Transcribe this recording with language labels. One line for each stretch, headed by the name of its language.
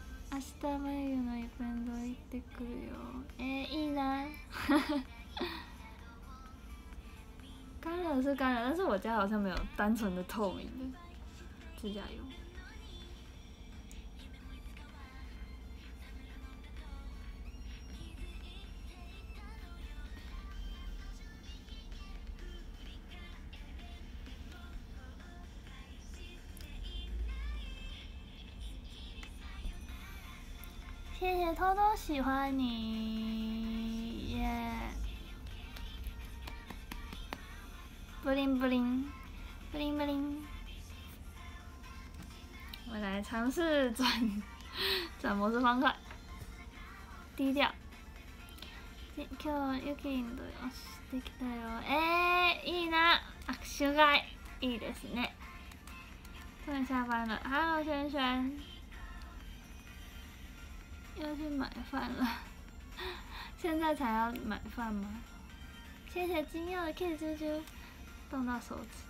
Japanese: 明日眉毛のイベント行ってくるよ。いいな。
Chinese: 干了是干了，但是我家好像没有单纯的透明的指甲油。谢谢偷偷喜欢你耶，布灵布灵布灵布灵，我来尝试转转模式方块，低调。
Japanese: 今日ユキリンと押してきたよ。いいな、握手会いいですね。
Chinese: 终于下班了 ，Hello 萱萱。要去买饭了，现在才要买饭吗？谢谢金耀的 kiss 啾啾，动到手指，